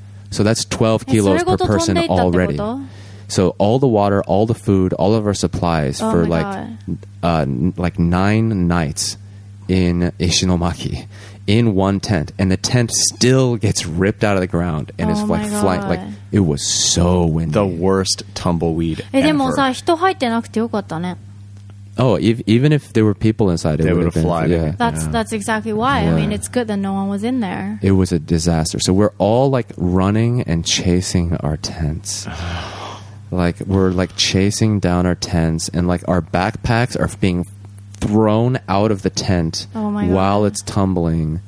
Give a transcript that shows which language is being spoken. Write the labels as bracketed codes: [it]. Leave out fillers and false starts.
[en] So that's 12 kilos per person already. So all the water, all the food, all of our supplies for like 9 nights in Ishinomaki in one tent, and the tent still gets ripped out of the ground and is like flying. Like, it was so windy. The worst tumbleweed ever. [ja] でもさ、人入ってなくてよかったね。 [en] Oh, even if there were people inside, they would have been, flied. Yeah. That's exactly why. Yeah. I mean, it's good that no one was in there. It was a disaster. So we're all like running and chasing our tents. Like, we're like chasing down our tents, and like our backpacks are being thrown out of the tent while it's tumbling.